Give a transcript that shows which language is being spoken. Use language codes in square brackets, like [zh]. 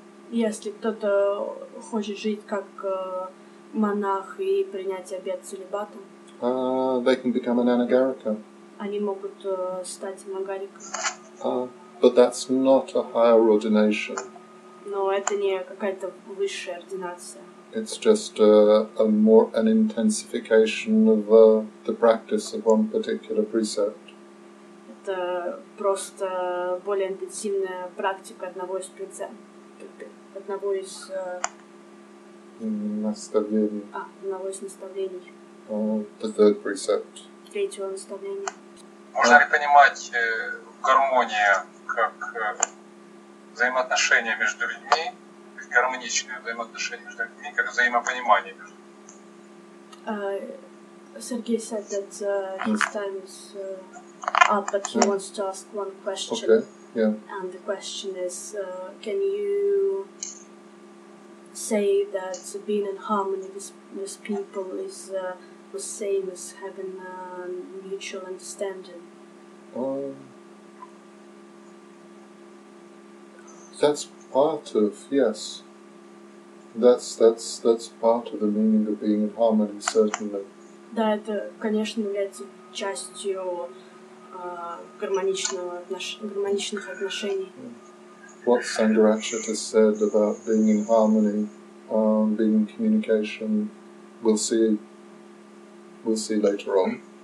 [ru] Если кто-то хочет жить как монах и принять обет целибатом. [en] They can become an anagarika. [ru] Они могут стать анагарика. [en] But that's not a higher ordination. [ru] Но это не какая-то высшая ординация. [en] It's just an intensification of the practice of one particular precept. [ru] это просто более интенсивная практика одного из принципов, одного из наставлений. А, одного из наставлений. [en] The third precept. [ru] Третьего наставления. Можно ли понимать гармонию как взаимоотношения между людьми, гармоничные взаимоотношения между людьми, как взаимопонимание между людьми? [en] Sergei said that his time is up, but he wants to ask one question. Okay, yeah. And the question is, can you say that being in harmony with people is the same as having a mutual understanding? That's part of, yes. That's part of the meaning of being in harmony, certainly. [ru] Да, это, конечно, является частью гармоничных отношений. [en] What Sangharakshita said about being in harmony, being in communication, we'll see later on.